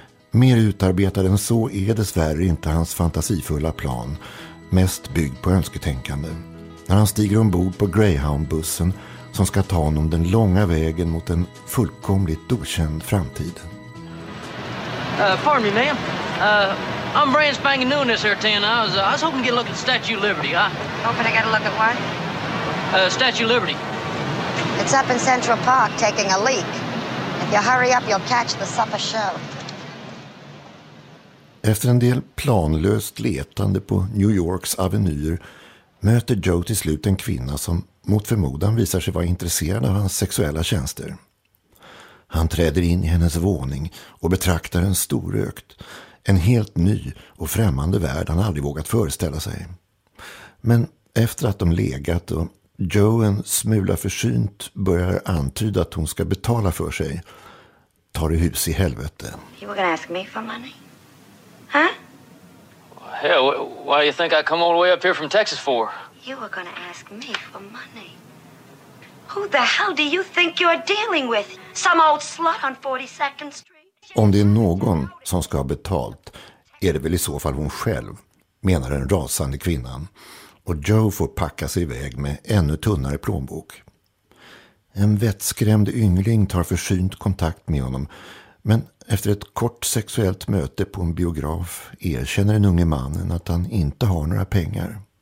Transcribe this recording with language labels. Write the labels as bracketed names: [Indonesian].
[Swedish] Mer utarbetad än så är dessvärre inte hans fantasifulla plan, mest byggd på önsketänkande. När han stiger ombord på Greyhound-bussen som ska ta honom den långa vägen mot en fullkomligt okänd framtid. [English] Pardon me, ma'am. I'm brand spanking new in this here town. I was hoping to get a look at the Statue of Liberty. Hoping to get a look at what? Statue of Liberty. It's up in Central Park taking a leak. If you hurry up, you'll catch the supper show. [Swedish] Efter en del planlöst letande på New Yorks avenyer möter Joe till slut en kvinna som mot förmodan visar sig vara intresserad av hans sexuella tjänster. Han träder in i hennes våning och betraktar en storökt, en helt ny och främmande värld han aldrig vågat föreställa sig. Men efter att de legat och Joe en smula försynt börjar antyda att hon ska betala för sig, tar det hus i helvete. [English] You were gonna ask me for money? Huh? Hell, why do you think I come all the way up here from Texas for? You were gonna ask me for money. Who the hell do you think you're dealing with? Some old slut on 42nd Street? [Swedish] Om det är någon som ska ha betalt är det väl i så fall hon själv, menar den rasande kvinnan. Och Joe får packa sig iväg med ännu tunnare plånbok. En vettskrämd yngling tar försynt kontakt med honom, men efter ett kort sexuellt möte på en biograf erkänner den unge mannen att han inte har några pengar.